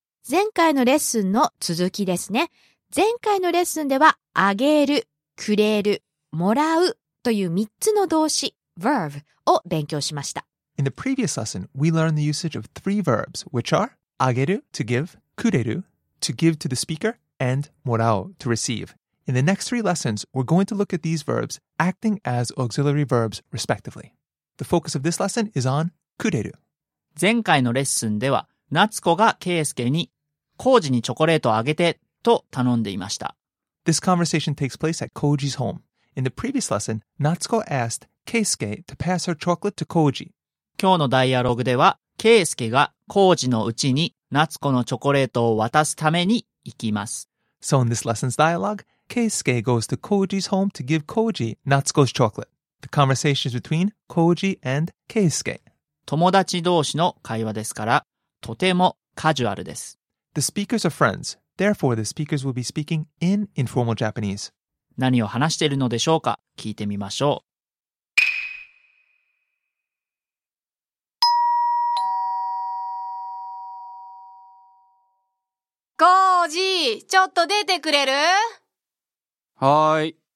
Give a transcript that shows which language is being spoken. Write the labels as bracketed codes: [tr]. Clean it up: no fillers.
[ja] 前回のレッスンの続きですね。前回のレッスンでは、あげる、くれる、もらうという3つの動詞、verb を勉強しました。 [en] In the previous lesson, we learned the usage of three verbs, which are あげる、to give, くれる、to give to the speaker, and もらう、to receive. In the next three lessons, we're going to look at these verbs acting as auxiliary verbs respectively. The focus of this lesson is on kureru. [ja] 前回のレッスンでは、夏子がケイスケに、コージにチョコレートをあげてと頼んでいました。 [en] This conversation takes place at Koji's home. In the previous lesson, Natsuko asked Keisuke to pass her chocolate to Koji. [ja] 今日のダイアログでは、ケイスケがコージのうちに夏子のチョコレートを渡すために行きます。 [en] So in this lesson's dialogue, Keisuke goes to Koji's home to give Koji Natsuko's chocolate. The conversation is between Koji and Keisuke. [ja] 友達同士の会話ですから、とてもカジュアルです。 [en] The speakers are friends. Therefore, the speakers will be speaking in informal Japanese. [ja] 何を話しているのでしょうか、聞いてみましょう。 Koji、ちょっと出てくれる？はい。